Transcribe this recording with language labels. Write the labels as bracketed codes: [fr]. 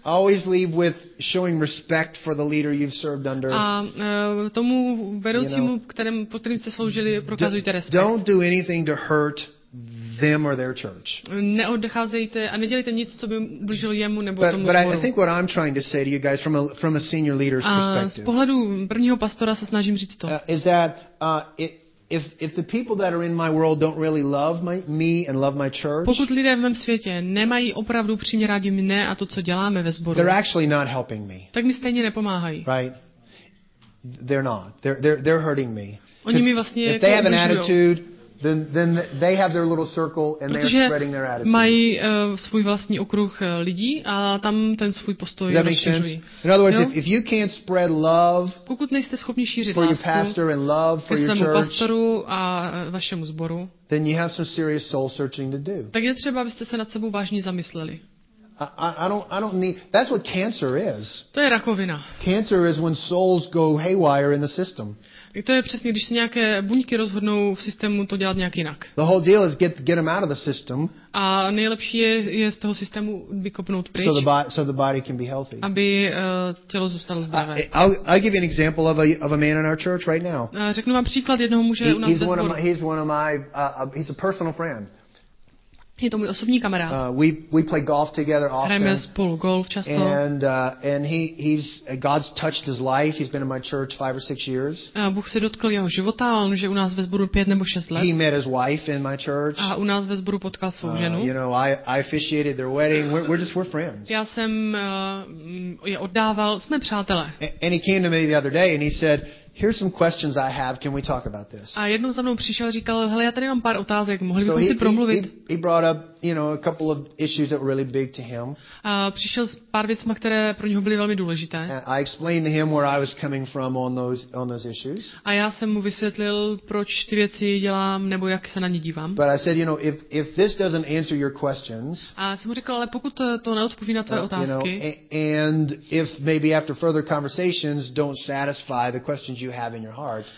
[en] Always leave with showing respect for the leader you've served under. [cs] A tomu vedoucímu, kterým jste sloužili, prokazujte respekt. [en] Don't do anything to hurt them or their church. [cs] Neodcházejte a nedělejte nic, co by ublížilo jemu nebo tomu sboru. [en] But I think what I'm trying to say to you guys from a senior leader's perspective. [cs] Z pohledu prvního pastora se snažím říct to. [en] Is that if the people that are in my world don't really love me and love my church? [cs] Pokud lidé v mém světě nemají opravdu upřímně rádi mě a to, co děláme ve sboru. [en] They're actually not helping me. [cs] Tak mi stejně nepomáhají. [en] Right? They're not. They're hurting me. [cs] Oni mi vlastně [en] if they have an attitude. Then they have their little circle and [cs] protože [en] they are spreading their attitude. [cs] Mají svůj vlastní okruh lidí a tam ten svůj postoj rozšiřují. [en] In other words, if you can't spread love, [cs] pokud nejste schopni šířit [en] for [cs] lásku [en] your pastor and love for your church, [cs] pastoru a vašemu sboru, [en] then you have some serious soul searching to do. [cs] Tak je třeba, abyste se nad sebou vážně zamysleli. [en] I don't need. That's what cancer is. [cs] To je rakovina. [en] Cancer is when souls go haywire in the system. [cs] To je přesně, když se nějaké buňky rozhodnou v systému to dělat nějak jinak. [en] The whole deal is get them out of the system. [cs] A nejlepší je z toho systému vykopnout pryč. [en] So the body can be healthy. [cs] Aby tělo zůstalo zdravé. [en] I'll give you an example of a man in our church right now. [cs] Řeknu vám příklad jednoho muže u nás ve sboru. [en] He's a personal friend. [cs] Je to můj osobní kamarád. [en] We play golf together often. [cs] Hrajeme spolu golf často. [en] And he's God's touched his life. He's been in my church 5 or 6 years. [cs] Bůh se dotkl jeho života, on už je u nás ve sboru 5 nebo 6 let. [en] He met his wife in my church. [cs] A u nás ve sboru potkal svou ženu. [en] You know, I officiated their wedding. We're friends. [cs] Já jsem je oddával, jsme přátelé. [en] And he came to me the other day and he said, here's some questions I have. Can we talk about this? [cs] A jednou za mnou přišel, říkal, hele, já tady mám pár otázek, mohli bychom si promluvit. [en] He brought up, you know, a couple of issues that were really big to him. [cs] A přišel s pár věcma, které pro něho byly velmi důležité. [en] And I explained to him where I was coming from on those issues. [cs] A já jsem mu vysvětlil, proč ty věci dělám nebo jak se na ně dívám. [en] But I said, you know, if this doesn't answer your questions. [cs] A jsem mu řekl, ale pokud to neodpoví na tvé otázky. [en] You know, and if maybe after further conversations don't satisfy the questions you have in your heart.